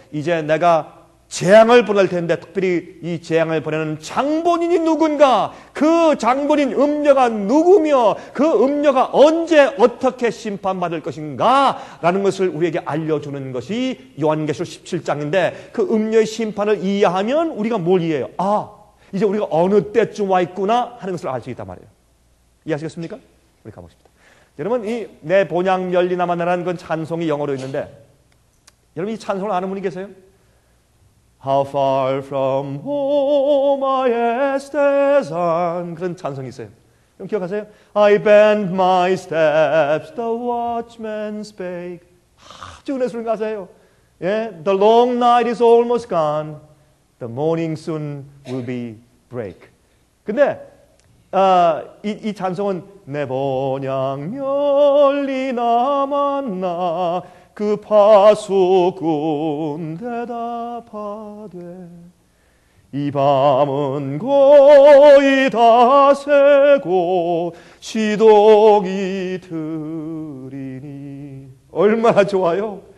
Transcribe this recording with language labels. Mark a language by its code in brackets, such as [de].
[ko] 이제 내가 재앙을 보낼 텐데 특별히 이 재앙을 보내는 장본인이 누군가, 그 장본인 음녀가 누구며 그 음녀가 언제 어떻게 심판받을 것인가 라는 것을 우리에게 알려주는 것이 요한계시록 17장인데 그 음녀의 심판을 이해하면 우리가 뭘 이해해요? 아, 이제 우리가 어느 때쯤 와 있구나 하는 것을 알 수 있단 말이에요. 이해하시겠습니까? 우리 가보십시다. 여러분, 이 내 본향 멸리 남았나라는 건 찬송이 영어로 있는데 여러분 이 찬송을 아는 분이 계세요? [en] How far from home I stayed on [ko] 그런 찬송이 있어요. 그럼 기억하세요? [en] I bent my steps, the watchman spake. [ko] 아주 은혜스러운 가사예요. [en] 예, the long night is almost gone, the morning soon will be break. [ko] 근데 이 찬송은 내 본향 멸리 남았나 그 파수꾼 대답하되 이 밤은 거의 다 새고 시동이 트리니 얼마나 좋아요?